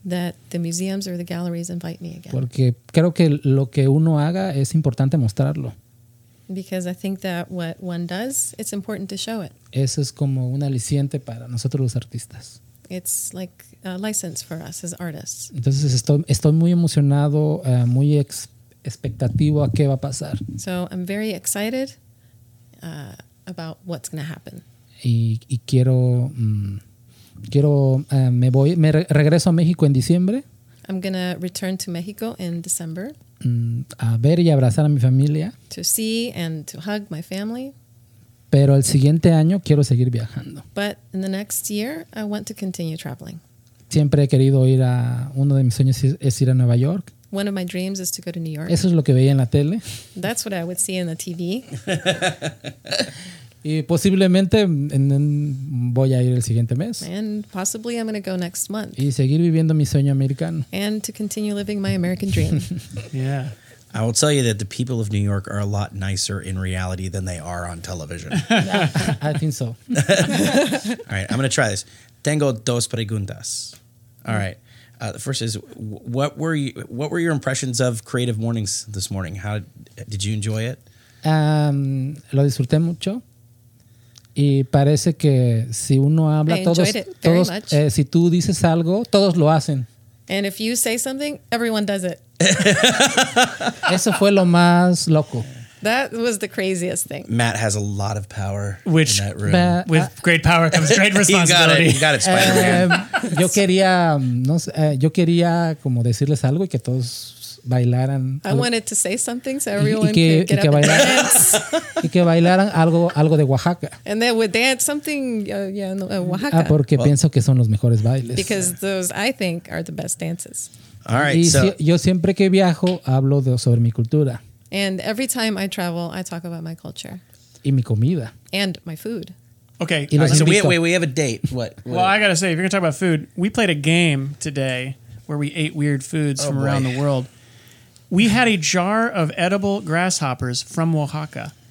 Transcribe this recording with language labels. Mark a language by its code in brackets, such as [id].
[en] That the museums or the galleries invite me again. [es] Porque creo que lo que uno haga es importante mostrarlo. [en] Because I think that what one does, it's important to show it. [es] Eso es como un aliciente para nosotros los artistas. [en] It's like a license for us as artists. [es] Entonces estoy muy emocionado, muy expectativo a qué va a pasar. [en] So I'm very excited about what's going to happen. [es] Y quiero me regreso a México en diciembre. [en] I'm going to return to Mexico in December. [es] A ver y abrazar a mi familia. [en] To see and to hug my family. [es] Pero el siguiente año quiero seguir viajando. [en] But in the next year, I want to continue traveling. [es] Siempre he querido ir a... Uno de mis sueños es ir a Nueva York. [en] One of my dreams is to go to New York. [es] Eso es lo que veía en la tele. [en] That's what I would see in the TV. [es] Y posiblemente voy a ir el siguiente mes. [en] And possibly I'm going to go next month. [es] Y seguir viviendo mi sueño americano. [en] And to continue living my American dream. Yeah. I will tell you that the people of New York are a lot nicer in reality than they are on television. I think so. All right, I'm going to try this. [es] Tengo dos preguntas. [en] All right. The first is, what were your impressions of Creative Mornings this morning? How did you enjoy it? [es] Lo disfruté mucho. Y parece que si uno habla, si tú dices algo, todos lo hacen. [en] And if you say something, everyone does it. [es] Eso fue lo más loco. [en] That was the craziest thing. Matt has a lot of power Which, in that room. Matt, with great power comes great responsibility. You got it, Spider-Man. [es] yo quería como decirles algo y que todos bailaran. [en] I wanted to say something so everyone could get up and dance. [es] Y que bailaran algo de Oaxaca. [en] And they would dance something Oaxaca. [es] Ah, porque pienso que son los mejores bailes. [en] Because those, I think, are the best dances. All right, [es] y [en] so, [es] yo siempre que viajo hablo sobre mi cultura. [en] And every time I travel, I talk about my culture. [es] Y mi comida. [en] And my food. Okay. Y right, so we have a date. What? Well, I got to say, if you're going to talk about food, we played a game today where we ate weird foods from around the world. We had a jar of edible grasshoppers from Oaxaca.